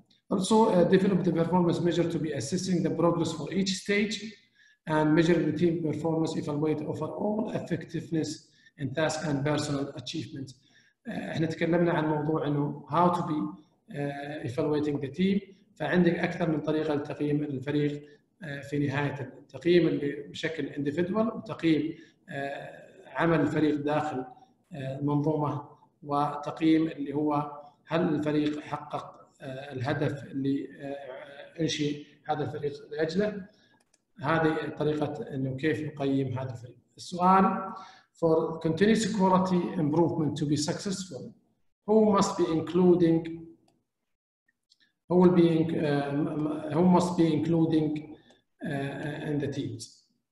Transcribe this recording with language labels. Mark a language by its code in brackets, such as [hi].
[en] Also develop the performance measure to be assessing the progress for each stage and measure the team performance, evaluate overall effectiveness in task and personal achievements. [ar] احنا تكلمنا عن موضوع انه [en] how to be evaluating the team. [ar] فعندك اكثر من طريقه لتقييم الفريق في نهايه التقييم اللي بشكل individual وتقييم عمل الفريق داخل المنظومه وتقييم اللي هو هل الفريق حقق الهدف اللي انشي هذا الفريق لاجله. هذه طريقه انه كيف نقيم هذا الفريق. [en] السؤال: for continuous quality improvement to be successful, who must be including in the teams.